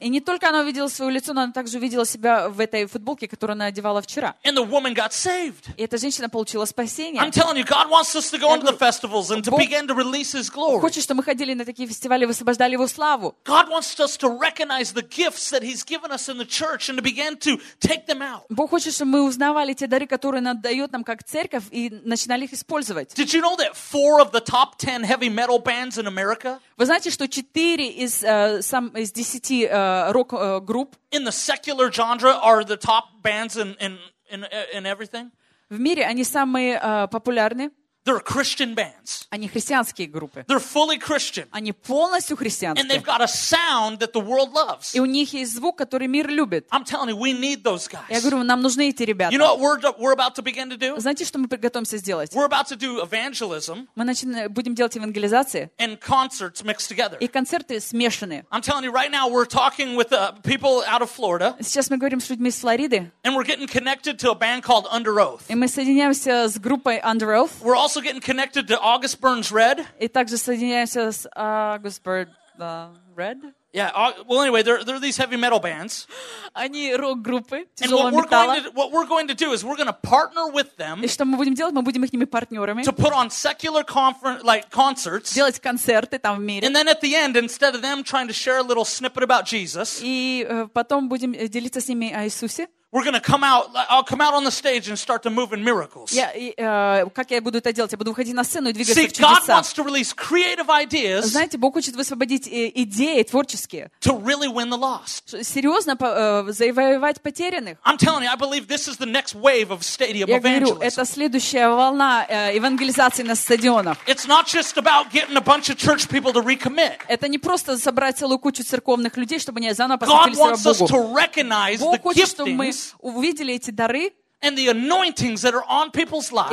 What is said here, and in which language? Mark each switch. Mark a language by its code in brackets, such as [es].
[ru] И не только она увидела свое лицо, но она также увидела себя в этой футболке, которую она одевала вчера. [en] And the woman got saved. [ru] И эта женщина получила спасение. [en] I'm telling you, God wants us to go into the festivals and to begin to release His glory. [ru] Хочет, чтобы мы ходили на такие фестивали. Высвобождали его славу. [en] God wants us to recognize the gifts that He's given us in the church and to begin to take them out. [ru] Бог хочет, чтобы мы узнавали те дары, которые Он дает нам как церковь, и начинали их использовать. [en] Did you know that 4 of the top 10 heavy metal bands in America? [ru] Вы знаете, что 4 из 10 рок групп [en] in the secular genre are the top bands in everything? [ru] В мире они самые популярные. [en] They're Christian bands. [ru] Они христианские группы. [en] They're fully Christian. [ru] Они полностью христианские. [en] And they've got a sound that the world loves. [ru] И у них есть звук, который мир любит. [en] I'm telling you, we need those guys. [ru] Я говорю, нам нужны эти ребята. [en] You know what we're about to begin to do? [ru] Знаете, что мы приготовимся сделать? [en] We're about to do evangelism. [ru] Мы будем делать евангелизации. [en] And concerts mixed together. [ru] И концерты смешаны. [en] I'm telling you, right now we're talking with people out of Florida. [ru] Сейчас мы говорим с людьми из Флориды. [en] And we're getting connected to a band called Under Oath. [ru] И мы соединяемся с группой Under Oath. [en] We're also getting connected to August Burns Red. [ru] И также соединяемся с August Burns Red. [en] Yeah, well anyway, they're these heavy metal bands. [ru] Они рок-группы тяжелого металла. [en] And what we're going to do is we're going to partner with them. [ru] И что мы будем делать? Мы будем их ними партнерами. [en] To put on secular conference like concerts. [ru] Делать концерты там в мире. [en] And then at the end, instead of them trying to share a little snippet about Jesus. [ru] И потом будем делиться с ними о Иисусе. [en] We're going to come out, I'll come out on the stage and start to move in miracles. [ru] Я, как я буду это делать? Я буду выходить на сцену и двигаться [en] See, [ru] в чудеса. [en] See, God wants to release creative ideas. [ru] Знаете, Бог хочет высвободить идеи творческие. [en] To really win the lost. [ru] Серьезно, завоевать потерянных. [en] I'm telling you, I believe this is the next wave of stadium evangelism. [ru] Я говорю, это следующая волна евангелизации на стадионах. [en] It's not just about getting a bunch of church people to recommit. [ru] Это не просто собрать целую кучу церковных людей, чтобы они заново посвятили себя Богу. [en] God wants us to recognize the gifting. [ru] Мы увидели эти дары [en] and the anointings that are on people's lives,